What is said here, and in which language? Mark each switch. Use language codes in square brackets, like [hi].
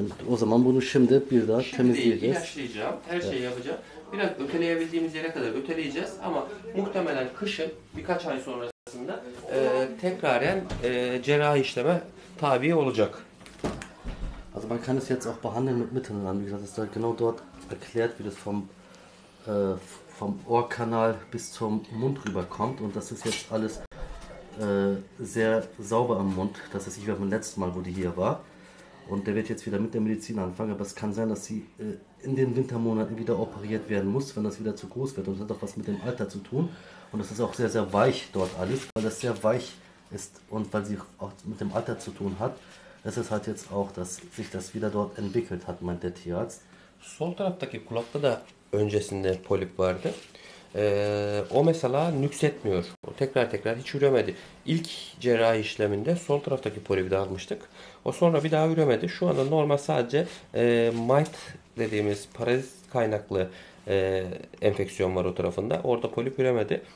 [tr] O zaman bunu şimdi bir daha Şimdi değil, temizleyeceğiz. ilaçlayacağım, her şeyi yapacağım. Biraz öteleyebildiğimiz yere kadar öteleyeceğiz ama muhtemelen kışın birkaç ay sonrasında tekraren cerrahi işleme tabi olacak. [de] Also man kann es jetzt auch behandeln mit Mitteln an, wie gesagt, es wird genau dort erklärt, wie das vom Ohrkanal bis zum Mund rüber kommt und das ist jetzt alles sehr sauber am Mund. Das ist, ich war beim letzten Mal, wo die hier war. Und der wird jetzt wieder mit der Medizin anfangen, aber es kann sein, dass sie in den Wintermonaten wieder operiert werden muss, wenn das wieder zu groß wird. Und das hat auch was mit dem Alter zu tun. Und das ist auch sehr, sehr weich dort alles, weil das sehr weich ist und weil sie auch mit dem Alter zu tun hat. Es ist halt jetzt auch, dass sich das wieder dort entwickelt hat, meint der Tierarzt. [tr] Sol taraftaki kulakta da öncesinde polip vardı. O mesela nüksetmiyor. O tekrar tekrar hiç üremedi. İlk cerrahi işleminde sol taraftaki polibi de almıştık. O sonra bir daha üremedi. Şu anda normal sadece mite dediğimiz parazit kaynaklı enfeksiyon var o tarafında. Orada polip üremedi.